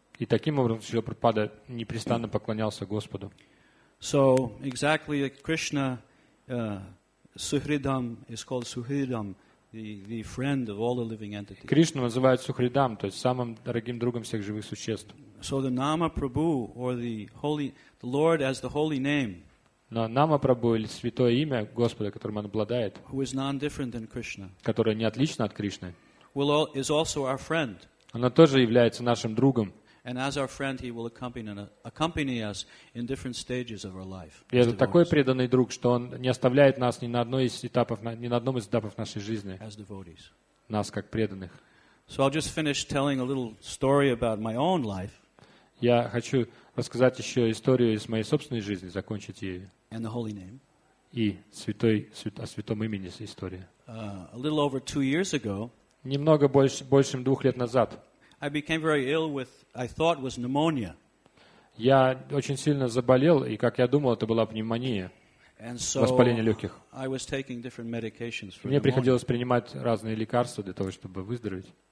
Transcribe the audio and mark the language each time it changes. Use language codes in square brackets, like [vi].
[ru] И таким образом Шрила Прабхупада непрестанно поклонялся Господу. [en] So exactly Krishna Suhridam is called Suhridam, the friend of all the living entities. [ru] Кришну называют Сухридам, то есть самым дорогим другом всех живых существ. [en] So the Nama Prabhu or the Lord as the holy name. [ru] Но Нама Прабху или святое имя Господа, которым он обладает, [en] who is non-different than Krishna, [ru] которое не отлично от Кришны, [en] is also our friend. [ru] Оно тоже является нашим другом. [en] And as our friend, he will accompany us in different stages of our life. [ru] И это такой преданный друг, что он не оставляет нас ни на одном из этапов нашей жизни. [en] As devotees. [ru] Нас как преданных. [en] So I'll just finish telling a little story about my own life. [ru] Я хочу рассказать еще историю из моей собственной жизни, закончить ее. [en] And the holy name. [ru] И о святом имени история. [en] A little over 2 years ago. [ru] Немного больше 2 лет назад. [en] I became very ill with, I thought was pneumonia. [ru] Я очень сильно заболел, и как я думал, это была пневмония. воспаление легких. Мне приходилось принимать разные лекарства для того, чтобы выздороветь.